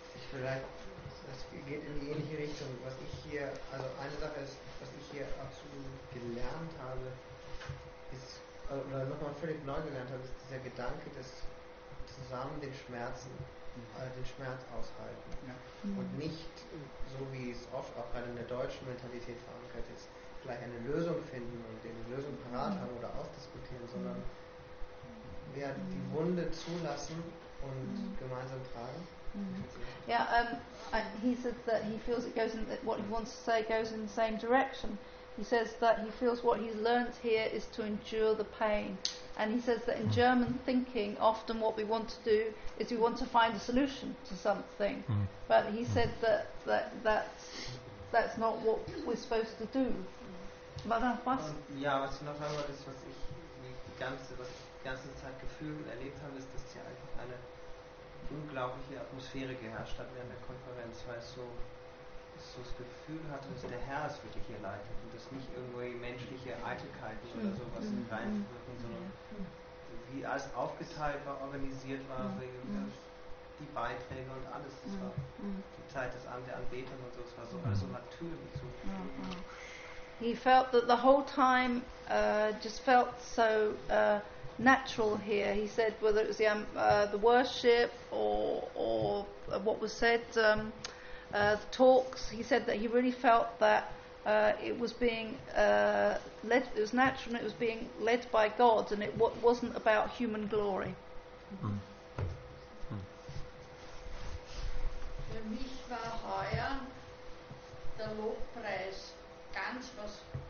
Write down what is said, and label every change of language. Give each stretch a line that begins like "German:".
German: Vielleicht, das geht in die ähnliche Richtung, was ich hier, also eine Sache ist, was ich hier absolut gelernt habe, ist, oder nochmal völlig neu gelernt habe, ist dieser Gedanke, dass zusammen den Schmerzen, also den Schmerz aushalten. Ja. Mhm. Und nicht, so wie es oft auch gerade in der deutschen Mentalität verankert ist, gleich eine Lösung finden und die Lösung parat haben oder ausdiskutieren, sondern wir die Wunde zulassen und gemeinsam tragen. Mm-hmm.
English: Yeah, he said that he feels what he wants to say goes in the same direction. He says that he feels what he's learnt here is to endure the pain. And he says that in German thinking, often what we want to do is we want to find a solution to something. Mm-hmm. But he said that's not what we're supposed to do.
German: War das was? Ja, was noch einmal ist, was ich die ganze Zeit gefühlt und erlebt habe, ist, dass hier einfach eine unglaubliche Atmosphäre geherrscht hat während der Konferenz, weil es so das Gefühl hatte, dass der Herr es wirklich hier leitet und dass nicht irgendwie menschliche Eitelkeiten oder sowas reinwirken, sondern wie alles aufgeteilt war, organisiert war, die Beiträge und alles, das war die Zeit des Anbetern und so, es war so alles so natürlich.
English: So. He felt that the whole time just felt so natural here. He said whether it was the worship or what was said, the talks, he said that he really felt that it was being led, it was natural, and it was being led by God, and it wasn't about human glory.
German: Für mich war heuer der Lobpreis ganz was